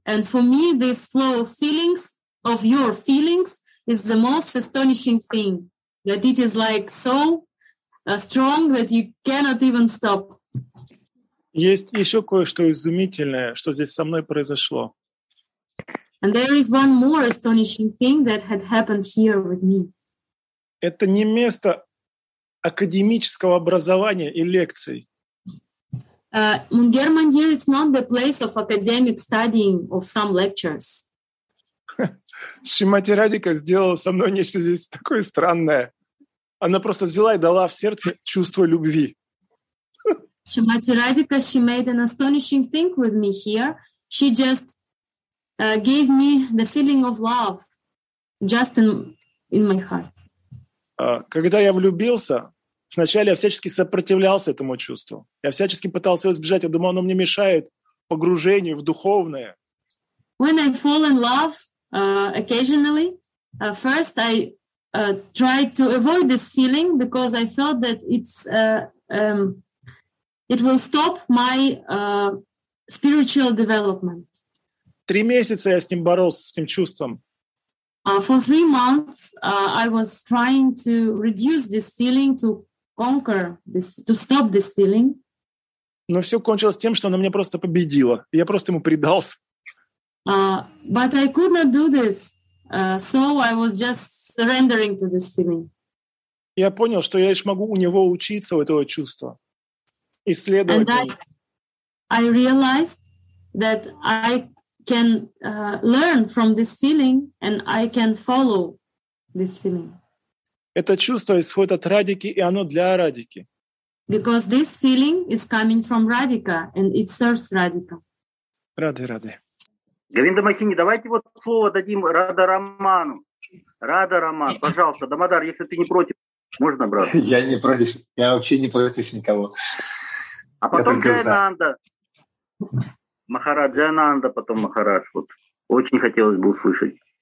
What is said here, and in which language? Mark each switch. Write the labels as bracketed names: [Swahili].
[English] And for me, this flow of feelings, of your feelings, is the most astonishing thing, that it is like so strong that you cannot even stop. [Russian] Есть еще кое-что изумительное, что здесь со мной произошло. [English] And there is one more astonishing thing that had happened here with me. [Russian] Это не место академического образования и лекций. [English] Мунгер Мандир, it's not the place of academic studying of some lectures. [Russian] Шримати Радика сделала со мной нечто здесь такое странное. Она просто взяла и дала в сердце чувство любви. [English] Shrimati Radhika, she made an astonishing thing with me here. She just gave me the feeling of love just in my heart. [Russian] Когда я влюбился, вначале я всячески сопротивлялся этому чувству. Я всячески пытался его избежать. Я думал, оно мне мешает погружению в духовное. [English] When I fall in love occasionally, first I tried to avoid this feeling because I thought that it's... It will stop my spiritual development. [Russian] 3 месяца я с ним боролся, с этим чувством. [English] For 3 months, I was trying to reduce this feeling, to conquer this, to stop this feeling. [Russian] Но все кончилось тем, что она меня просто победила. Я просто ему предался. [English] But I could not do this, so I was just surrendering to this feeling. [Russian] Я понял, что я лишь могу у него учиться, у этого чувства. [English] And I realized that I can learn from this feeling and I can follow this feeling. [Russian] Это чувство исходит от Радики, и оно для Радики. [English] Because this feeling is coming from Radhika and it serves Radhika. [Russian] Рады, рады. Говинда Махини, давайте вот слово дадим Рада Роману. Рада Роман, пожалуйста. Дамодар, если ты не против, можно, брат? Я не против. Я вообще не против никого. А потом Джайананда. Махарадж, Джайананда, потом Махарадж. Вот. Очень хотелось бы услышать.